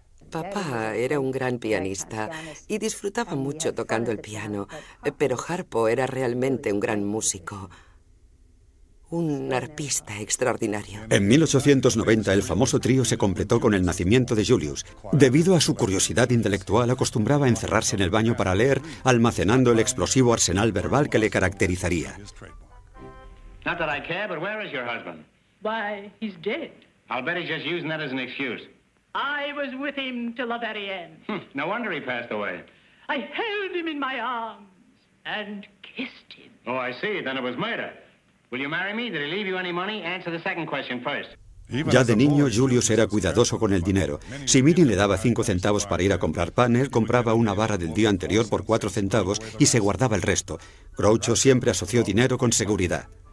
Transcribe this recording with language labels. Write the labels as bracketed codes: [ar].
[es] Papá era un gran pianista y disfrutaba mucho tocando el piano, pero Harpo era realmente un gran músico. Un arpista extraordinario. En 1890, el famoso trío se completó con el nacimiento de Julius. Debido a su curiosidad intelectual, acostumbraba a encerrarse en el baño para leer, almacenando el explosivo arsenal verbal que le caracterizaría. [en] Not that I care, but where is your husband? Why, he's dead. I'll bet he's just using that as an excuse. I was with him till the very end. No wonder he passed away. I held him in my arms and kissed him. Oh, I see. Then it was murder. Will you marry me? Did he leave you any money? Answer the second question first. [es] Ya de niño, Julius era cuidadoso con el dinero. Si Minnie le daba 5 centavos para ir a comprar pan, él compraba una barra del día anterior por 4 centavos y se guardaba el resto. Groucho siempre asoció dinero con seguridad.